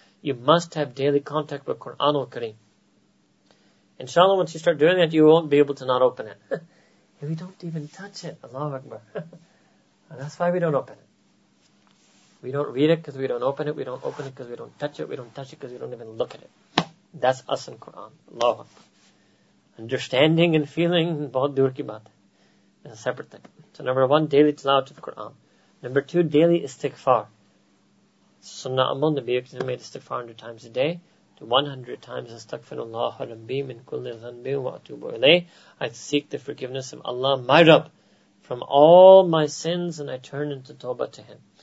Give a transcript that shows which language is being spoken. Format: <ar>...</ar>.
<en>You must have daily contact with Qur'an al-Kareem. Inshallah, once you start doing that, you won't be able to not open it. And we don't even touch it. Allahu Akbar. And that's why we don't open it. We don't read it because we don't open it. We don't open it because we don't touch it. We don't touch it because we don't even look at it. That's us in Qur'an. Allahu Akbar. Understanding and feeling,</en> <ur>بہت دور کی بات ہے.</ur> <en>It's a separate thing. So number one, daily tilawat of Qur'an. Number two, daily istighfar. Sunnah Amal, Nabi Yaqtan made istighfar 100 times a day, to 100 times,</en> <ar>Astaghfirullah Rabbi min kulli dhanbi wa atubu ilayh.</ar> <en>I seek the forgiveness of Allah, my Rabb, from all my sins, and I turn into tawbah to Him.</en>